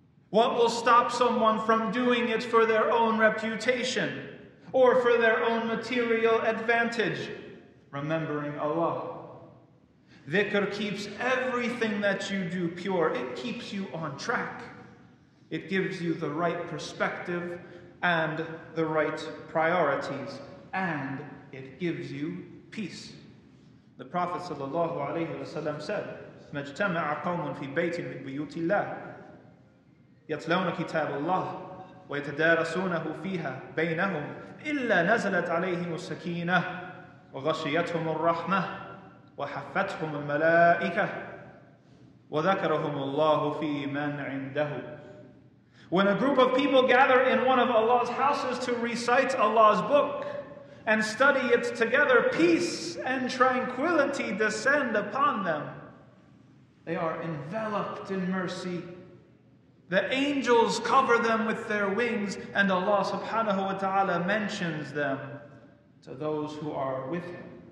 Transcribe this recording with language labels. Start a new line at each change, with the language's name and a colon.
English: What will stop someone from doing it for their own reputation or for their own material advantage? Remembering Allah. Dhikr keeps everything that you do pure. It keeps you on track. It gives you the right perspective and the right priorities. And it gives you peace. The Prophet ﷺ said,
Arabic: مَجْتَمَعَ قَوْمٌ فِي بَيْتٍ مِنْ بِيُوتِ اللَّهِ يَتْلَوْنَ كِتَابَ اللَّهِ وَيَتَدَارَسُونَهُ فِيهَا بَيْنَهُمْ إِلَّا نَزَلَتْ عَلَيْهِمُ السَّكِينَةُ وَغَشِيَتْهُمُ الرَّحْمَةُ وَحَفَّتْهُمُ الْمَلَائِكَةُ وَذَكَرَهُمُ اللَّهُ فِي مَنْ عِنْدَهُ.
English: When a group of people gather in one of Allah's houses to recite Allah's book and study it together, peace and tranquility descend upon them. They are enveloped in mercy. The angels cover them with their wings, and Allah subhanahu wa ta'ala mentions them to those who are with Him.